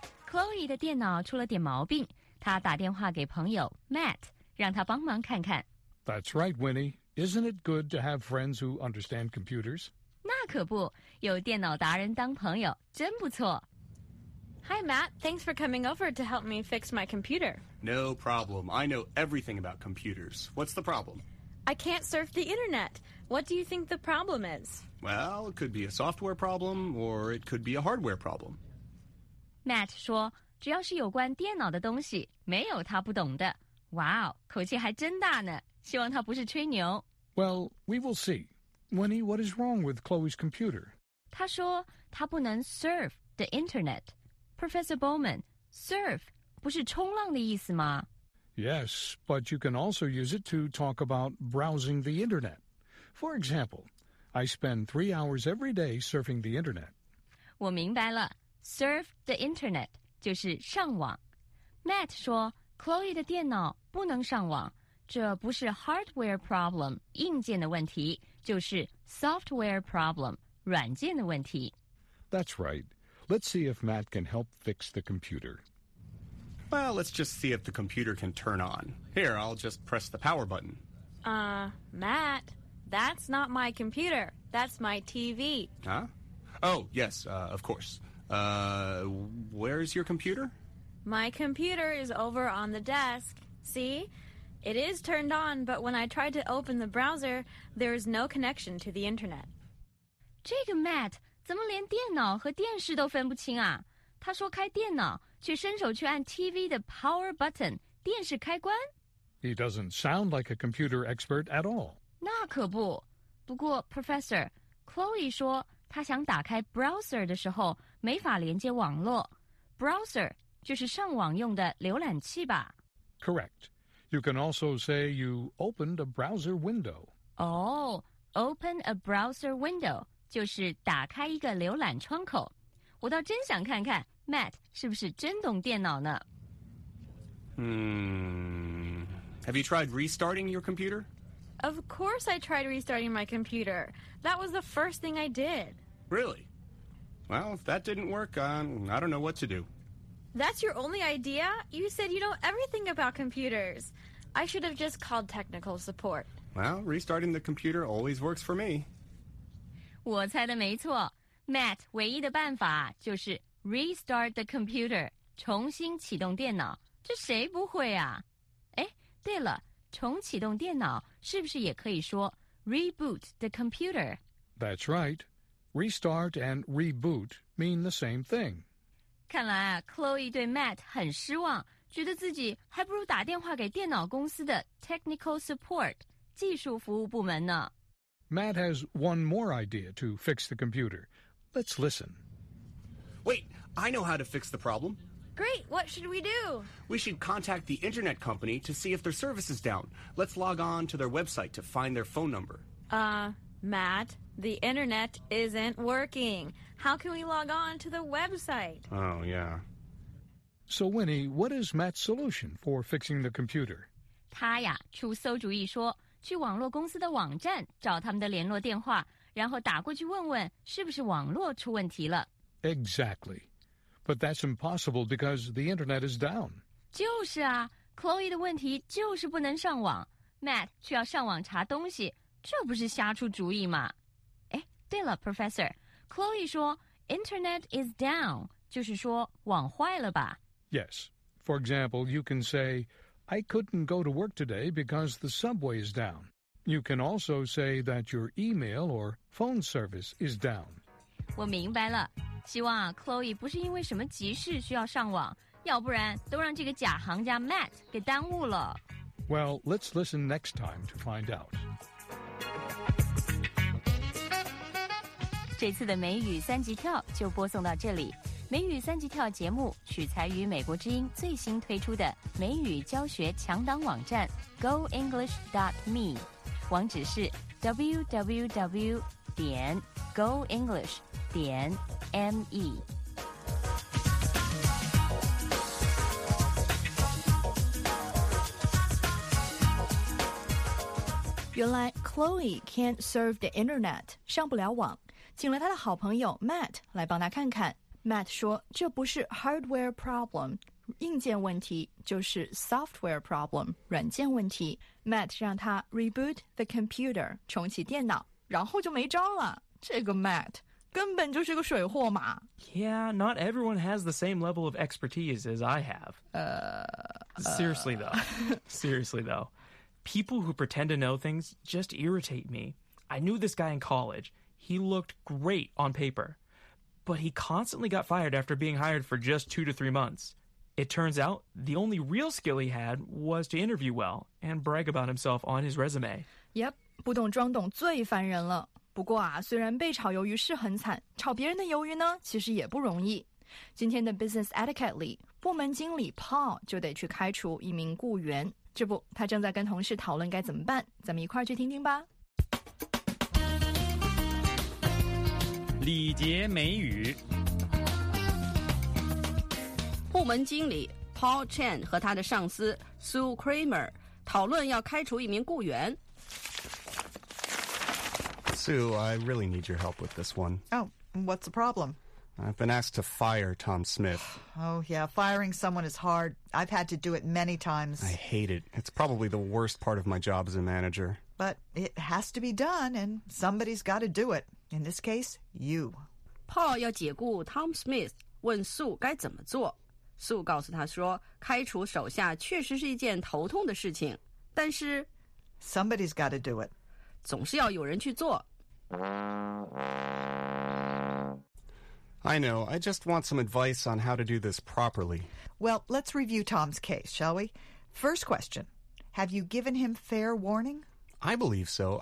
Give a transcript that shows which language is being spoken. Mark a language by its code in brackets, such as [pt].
[zh] Chloe 的电脑出了点毛病，她打电话给朋友 Matt， 让他帮忙看看。 [en] That's right, Winnie. Isn't it good to have friends who understand computers? [zh] 那可不，有电脑达人当朋友，真不错。 [en] Hi, Matt. Thanks for coming over to help me fix my computer. No problem. I know everything about computers. What's the problem? I can't surf the internet. What do you think the problem is? Well, it could be a software problem, or it could be a hardware problem. [zh] Matt 说，只要是有关电脑的东西，没有他不懂的。 Wow, 口气还真大呢。希望他不是吹牛。 [en] Well, we will see. Winnie, what is wrong with Chloe's computer? [zh] 他说他不能 [en] surf the internet. [zh] Professor Bowman, surf 不是冲浪的意思吗？ [en] Yes, but you can also use it to talk about browsing the internet. For example, I spend 3 hours every day surfing the internet. [zh] 我明白了， [en] surf the internet [zh] 就是上网。 Matt 说 Chloe 的电脑不能上网。这不是 [en] hardware problem, [zh] 硬件的问题，就是 [en] software problem, [zh] 软件的问题。 [en] That's right. Let's see if Matt can help fix the computer. Well, let's just see if the computer can turn on. Here, I'll just press the power button. Matt, that's not my computer. That's my TV. Huh? Oh, yes, of course. Where is your computer? My computer is over on the desk. See? It is turned on, but when I tried to open the browser, there is no connection to the internet. [zh] 这个 Matt 怎么连电脑和电视都分不清啊？他说开电脑，却伸手去按 TV 的 [en] power button, [zh] 电视开关。 [en] He doesn't sound like a computer expert at all. [zh] 那可不。不过 Professor, Chloe 说他想打开 browser 的时候没法连接网络。 Browser 就是上网用的浏览器吧。 [en] Correct. You can also say you opened a browser window. Oh, open a browser window [zh] 就是打开一个浏览窗口。我倒真想看看 Matt 是不是真懂电脑呢。 [en] Have you tried restarting your computer? Of course I tried restarting my computer. That was the first thing I did. Really? Well, if that didn't work, I don't know what to do. That's your only idea? You said you know everything about computers. I should have just called technical support. Well, restarting the computer always works for me. [zh] 我猜的没错。 Matt 唯一的办法就是 [en] restart the computer, [zh] 重新启动电脑。这谁不会啊？哎，对了，重启动电脑是不是也可以说 [en] reboot the computer? That's right. Restart and reboot mean the same thing. [zh] 看来啊 ,Chloe 对 Matt 很失望，觉得自己还不如打电话给电脑公司的 [en] technical support, [zh] 技术服务部门呢。 [en] Matt has one more idea to fix the computer. Let's listen. Wait, I know how to fix the problem. Great, what should we do? We should contact the internet company to see if their service is down. Let's log on to their website to find their phone number. Matt, the internet isn't working. How can we log on to the website? Oh, yeah. So, Winnie, what is Matt's solution for fixing the computer? [zh] 他呀，出馊主意说去网络公司的网站找他们的联络电话，然后打过去问问是不是网络出问题了。 [en] Exactly. But that's impossible because the internet is down. [zh] 就是啊 ,Chloe 的问题就是不能上网。 Matt 却要上网查东西，这不是瞎出主意吗？哎，对了 ,Professor, Chloe 说 , [en] Internet is down, [zh] 就是说网坏了吧。 [en] Yes. For example, you can say,I couldn't go to work today because the subway is down. You can also say that your email or phone service is down. [zh] 我明白了。希望啊 ,Chloe 不是因为什么急事需要上网,要不然都让这个假行家 Matt 给耽误了。 Well, let's listen next time to find out. 这次的美语三级跳就播送到这里。美语三级跳节目取材于美国之音最新推出的美语教学强档网站 goenglish.me， 网址是 www.goenglish.me。原来 Chloe [en] can't serve the internet， [zh] 上不了网，请了他的好朋友 Matt 来帮他看看。 Matt 说这不是 [en] hardware problem, [zh] 硬件问题就是 [en] software problem, [zh] 软件问题。 Matt 让他 [en] reboot the computer, [zh] 重启电脑，然后就没招了。这个 Matt 根本就是个水货嘛。 [en] Yeah, not everyone has the same level of expertise as I have. Seriously though, people who pretend to know things just irritate me. I knew this guy in college. He looked great on paper. But he constantly got fired after being hired for just 2 to 3 months. It turns out the only real skill he had was to interview well and brag about himself on his resume. [zh] Yep, 不懂装懂最烦人了。不过啊，虽然被炒鱿鱼是很惨，炒别人的鱿鱼呢，其实也不容易。今天的 Business Etiquette 里，部门经理 Paul 就得去开除一名雇员。这不，他正在跟同事讨论该怎么办，咱们一块儿去听听吧。礼节美语。部门经理 Paul Chen 和他的上司 Sue Kramer 讨论要开除一名雇员。 [en] Sue, I really need your help with this one. Oh, what's the problem? I've been asked to fire Tom Smith. Oh, yeah. Firing someone is hard. I've had to do it many times. I hate it. It's probably the worst part of my job as a manager. But it has to be done, and somebody's got to do it. In this case, you. [zh] Paul 要解雇 Tom Smith, 问 Sue 该怎么做。 Sue 告诉他说，开除手下确实是一件头痛的事情，但是 [en] Somebody's got to do it. [zh] 总是要有人去做。 [en] I know, I just want some advice on how to do this properly. Well, let's review Tom's case, shall we? First question, have you given him fair warning? I believe so.